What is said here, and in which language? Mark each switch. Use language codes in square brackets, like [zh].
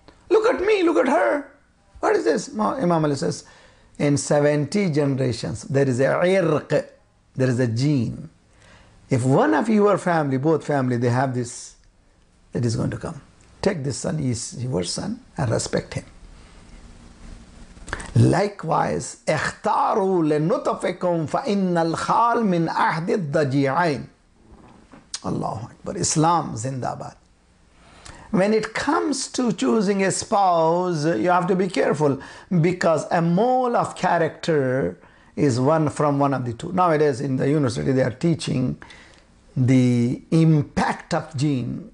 [en] Look at me, look at her. What is this? Imam Ali says, in 70 generations, there is a irq, there is a gene. If one of your family, both family, they have this, it is going to come. Take this son, he is your son, and respect him. [ar] Likewise, اختاروا لنطفكم فإن الخال من أحد الضجيعين. Allahu Akbar, Islam, Zindabad. [en] When it comes to choosing a spouse, you have to be careful because a mole of character is one from one of the two. Nowadays in the university, they are teaching the impact of gene.